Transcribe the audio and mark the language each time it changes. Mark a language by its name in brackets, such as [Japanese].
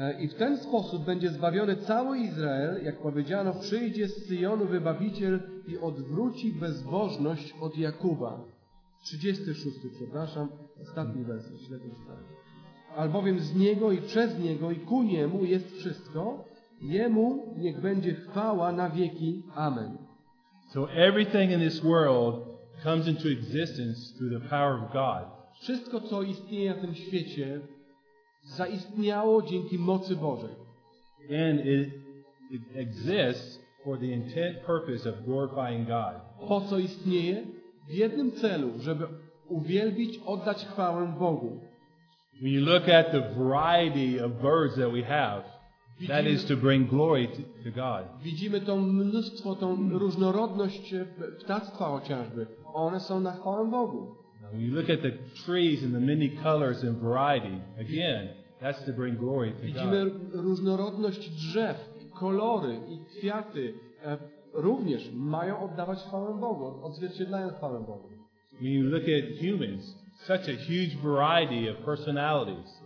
[Polish] I w ten sposób będzie zbawiony cały Izrael, jak powiedziano, przyjdzie z Syjonu Wybawiciel i odwróci bezbożność od Jakuba. 36, przepraszam, ostatni werset, źle przeczytałem. Albowiem z Niego i przez Niego i ku Niemu jest wszystko, Jemu niech będzie chwała na wieki. Amen. [English] So everything in this world comes into existence through the power of God. [Polish] Wszystko, co istnieje na tym świecie, zaistniało dzięki mocy Bożej. [English] And it exists for the intent purpose of glorifying God. [Polish] Po co istnieje? W jednym celu, żeby uwielbić, oddać chwałę Bogu. [English] When you look at the variety of birds that we have, that is to bring glory to God. [Polish] Widzimy tą mnóstwo, tą różnorodność ptactwa chociażby. One są na chwałę Bogu. [English] Now, when you look at the trees and the many colors and variety, again, that's to bring glory to [Polish] Widzimy [English] God. [Polish] Widzimy różnorodność drzew, kolory i kwiaty również mają oddawać chwałę Bogu, odzwierciedlają chwałę Bogu. [English] When you look at humans, such a huge variety of personalities.